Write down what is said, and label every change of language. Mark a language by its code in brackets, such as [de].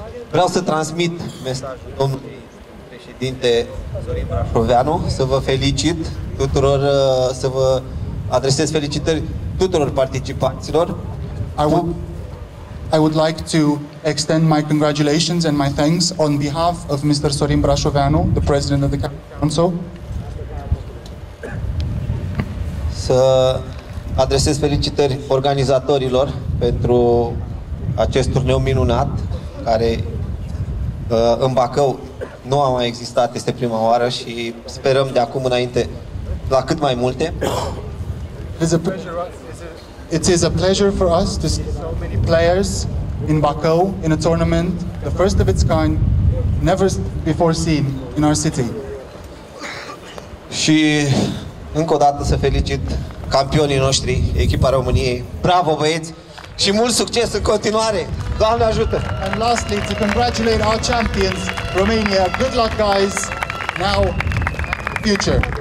[ro] Vreau să transmit mesajul domnului președinte Zorin Brașoveanu, să vă felicit tuturor, să vă adresez felicitări tuturor participanților. [en] I would like to extend my congratulations and my thanks on behalf of Mr. Sorin Brașoveanu, the president of the council. [ro] Să adresez felicitări organizatorilor pentru acest turneu minunat care în Bacău nu a mai existat, este prima oară și sperăm de acum înainte la cât mai multe. [en] It is a pleasure for us to see so many players in Bacău in a tournament, the first of its kind, never before seen in our city. [ro] Și încă o dată să felicit campionii noștri, echipa României. Bravo, băieți! Și mult succes în continuare! Doamne ajută! [en] And lastly, to congratulate our champions, Romania. Good luck, guys! Now, future!